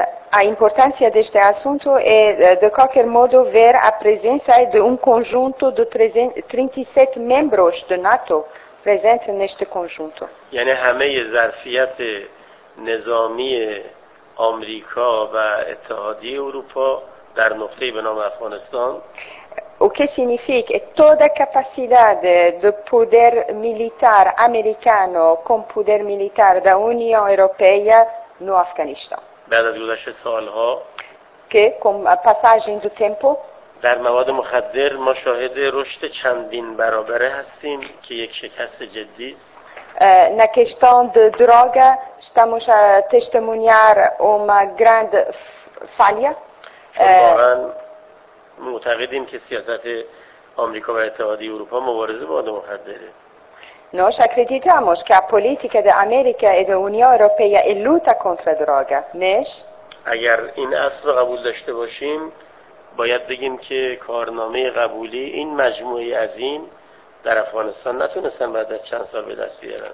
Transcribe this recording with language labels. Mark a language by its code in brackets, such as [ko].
[pt] A importância deste assunto é, de qualquer modo, ver a presença de um conjunto de 37 membros da NATO presente neste conjunto. [fa] یعنی همه ظرفیت نظامی آمریکا و اتحادیه اروپا در نقطه به نام افغانستان. [pt] O que significa é toda a capacidade do poder militar americano com poder militar da União Europeia no Afeganistão. [fa] بعد از گذشت سالها [pt] که com a passagem do tempo [fa] در مواد مخدر ما شاهد رشد چندین برابره هستیم که یک شکست جدی است. [pt] Na questão de droga estamos a testemunhar uma grande falha. [fa] واقعا معتقدیم که سیاست آمریکا و اتحادیه اروپا مبارزه با مواد مخدره. [pt] Nós acreditamos que a política da América e da União Europeia é luta contra a droga, mas... [fa] اگر این اصل رو قبول داشته باشیم باید بگیم که کارنامه قبولی این مجموعه عظیم در افغانستان نتونستن بعد از چند سال به دست بیارن.